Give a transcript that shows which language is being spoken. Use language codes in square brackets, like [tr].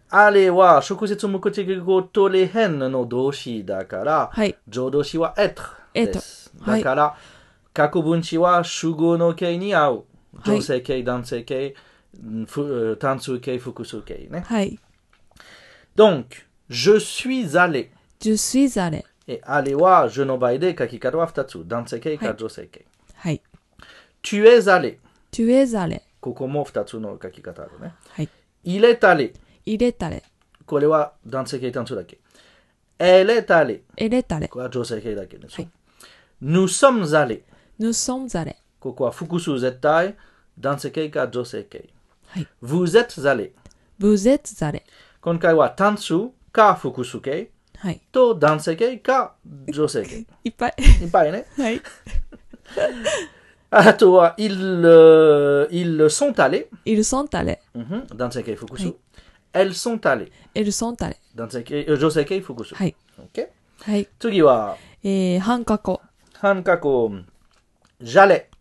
[ja] あれは直接目的語とれへんの動詞だから、はい、助動詞は être です。はい、だから、過去分詞は主語の形に合う。女性形、男性形、はい、単数形、複数形ね。はい。 [fr] Donc, je suis allé. Je suis allé. Et allez voir, je n'en vais pas, car il y a deux fois, dans ce cas, car je sais que. Tu es allé. Tu es allé. [ja] ここも二つの書き方だね。はい。 [fr] Il est allé. Il est allé. [ja] これは男性系単数だけ。 [fr] Elle est allée. Elle est allée. [ja] これは女性系だけね。はい。 [fr] Nous sommes allés. Nous sommes allés. [ja] ここは複数絶対、男性系か女性系。はい。 [fr] Vous êtes allés. Vous êtes allés. [ja] 今回は単数か複数系。はい、と男性系か女性系いっぱいいっぱいね、はい、あとは [fr] ils sont allés ils sont allés、 [ja] うん、男性系複数、はい、 [fr] elles sont allées elles sont allées [ja] 男性系女性系複数、はい、 [en] okay? [ja] はい、次は、半過去半過去 [fr] j'allais